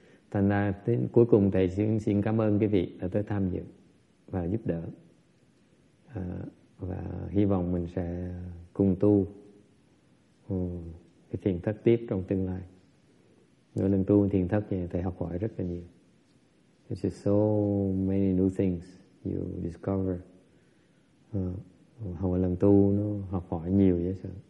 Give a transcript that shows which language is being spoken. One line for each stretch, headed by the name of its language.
Vietnamese: Thành ra, cuối cùng thầy xin cảm ơn quý vị đã tới tham dự và giúp đỡ. Và hy vọng mình sẽ cùng tu cái thiền thất tiếp trong tương lai. Mỗi lần tu thiền thất thì thầy học hỏi rất là nhiều.
English: It's just so many new things you discover.
Vietnamese: Học một lần tu nó học hỏi nhiều dễ sợ.